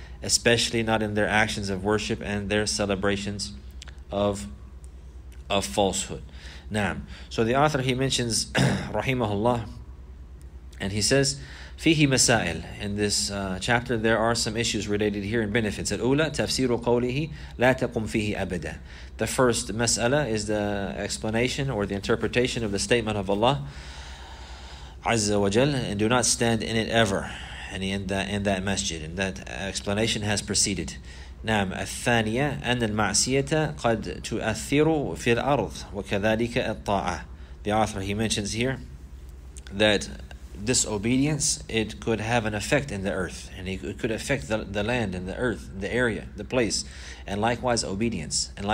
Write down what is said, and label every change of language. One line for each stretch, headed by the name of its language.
English: Especially not in their actions of worship and their celebrations of falsehood. Naam. So the author, he mentions, rahimahullah, and he says,
Arabic: فيه مسائل.
English: In this chapter, there are some issues related here in benefits.
Arabic: الأولى تفسير قوله لا تقم فيه أبدا.
English: The first mas'ala is the explanation or the interpretation of the statement of Allah عز وجل, and do not stand in it ever. And in that masjid, and that explanation has preceded.
Arabic: نعم الثانية أن المعصية قد تؤثر في الأرض وكذلك الطاعة.
English: The author, he mentions here that disobedience, it could have an effect in the earth, and it could affect the land and the earth, the area, the place, and likewise obedience.